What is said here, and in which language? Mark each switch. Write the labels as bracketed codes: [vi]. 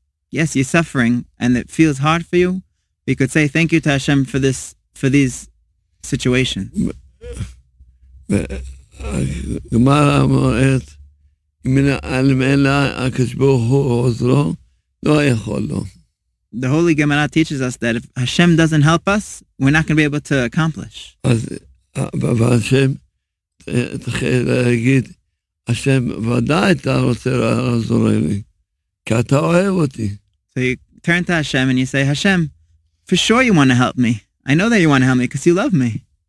[en] Yes, you're suffering and it feels hard for you. We could say thank you to Hashem for this, for these situation. [he] Gemara אומרת, אם אלמלא הקשבוהו עוזרו, לא יכול לו. [en] The Holy Gemara teaches us that if Hashem doesn't help us, we're not going to be able to accomplish. [he] אז Hashem, תחיל להגיד, Hashem ודאי אתה רוצה לעזור לי, כי אתה אוהב אותי. [en] So you turn to Hashem and you say, Hashem, for sure you want to help me. I know that you want to help me because you love me.